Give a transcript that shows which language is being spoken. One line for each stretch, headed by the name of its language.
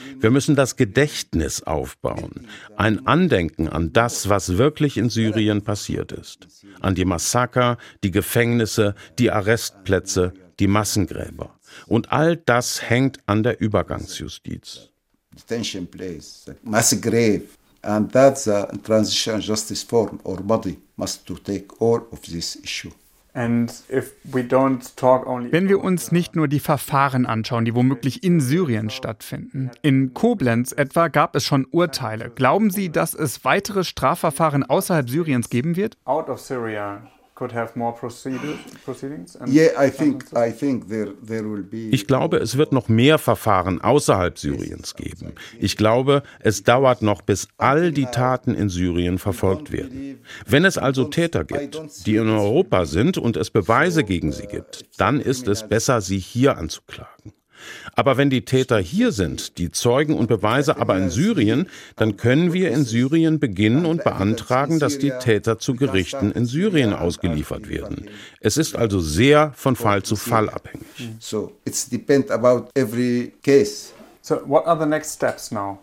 German: Wir müssen das Gedächtnis aufbauen. Ein Andenken an das, was wirklich in Syrien passiert ist. An die Massaker, die Gefängnisse, die Arrestplätze, die Massengräber. Und all das hängt an der Übergangsjustiz.
English: Detention place, mass grave, and that's a transition justice form or body must to take all of this issue.
German: Wenn wir uns nicht nur die Verfahren anschauen, die womöglich in Syrien stattfinden. In Koblenz etwa gab es schon Urteile. Glauben Sie, dass es weitere Strafverfahren außerhalb Syriens geben wird?
English: Out of Syria. Could have more proceedings and I think there will be
German: Ich glaube, es wird noch mehr Verfahren außerhalb Syriens geben. Ich glaube, es dauert noch, bis all die Taten in Syrien verfolgt werden. Wenn es also Täter gibt, die in Europa sind und es Beweise gegen sie gibt, dann ist es besser, sie hier anzuklagen. Aber wenn die Täter hier sind, die Zeugen und Beweise aber in Syrien, dann können wir in Syrien beginnen und beantragen, dass die Täter zu Gerichten in Syrien ausgeliefert werden. Es ist also sehr von Fall zu Fall abhängig.
English: So, it depends about every case. So, what are the next steps now?